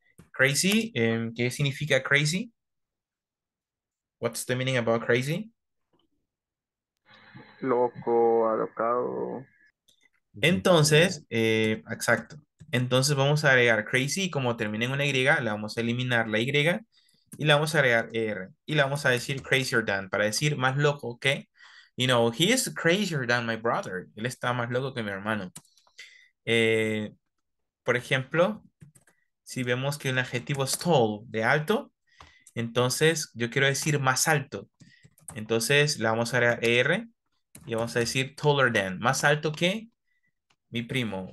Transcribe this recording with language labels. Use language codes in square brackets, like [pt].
[es] Crazy, ¿qué significa crazy? [en] What's the meaning about crazy? [es] Loco, alocado. Entonces, exacto. Entonces vamos a agregar crazy y como termina en una Y, la vamos a eliminar la Y y la vamos a agregar R. Y la vamos a decir crazier than, para decir más loco que. [en] You know, he is crazier than my brother. [es] Él está más loco que mi hermano. Por ejemplo, si vemos que un adjetivo es tall, de alto, entonces yo quiero decir más alto. Entonces le vamos a agregar R y vamos a decir taller than, más alto que mi primo.